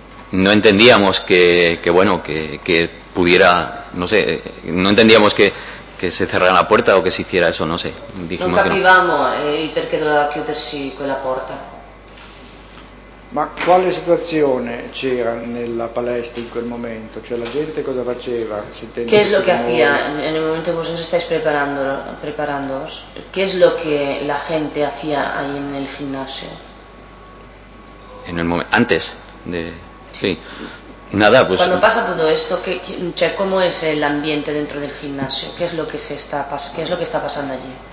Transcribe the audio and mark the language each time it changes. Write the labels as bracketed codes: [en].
[es] No entendíamos que pudiera, no sé, no entendíamos que se cerrara la puerta o que se hiciera eso, no sé. [it] Non capivamo perché doveva chiudersi quella porta. Ma quale situazione c'era nella palestra in quel momento? Cioè la gente cosa faceva? Che è lo che [es] hacía [it] nel momento in cui [es] vos [it] stai preparandoos? Che è lo che la gente [es] hacía ahí [it] nel gimnasio? [es] Antes de... Sí. Nada, pues. Cuando pasa todo esto, ¿cómo es el ambiente dentro del gimnasio? ¿Qué es lo que está pasando allí?